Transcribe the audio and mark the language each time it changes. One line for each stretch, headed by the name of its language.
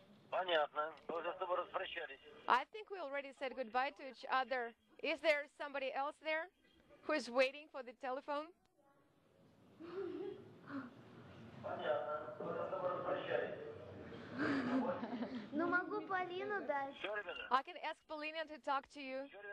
Russian: Понятно, мы уже с тобой распрощались.
English: I think we already said goodbye to each other. Is there somebody else there who is waiting for the telephone?
Russian: Понятно, мы уже с тобой распрощались. Ну, могу Полину дать.
English: I can ask Polina to talk to you.